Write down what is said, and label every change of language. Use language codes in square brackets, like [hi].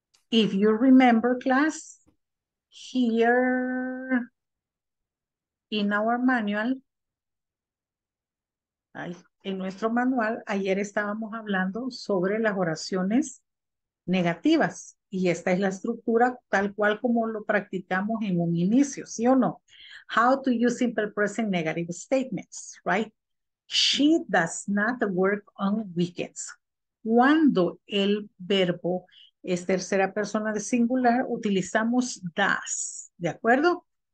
[en] If you remember, class, here in our manual, [es] en nuestro manual, ayer estábamos hablando sobre las oraciones negativas. Y esta es la estructura tal cual como lo practicamos en un inicio, ¿sí o no? [en] How to use simple present negative statements, right? She does not work on weekends. [es] Cuando el verbo es tercera persona de singular, utilizamos does, ¿de acuerdo?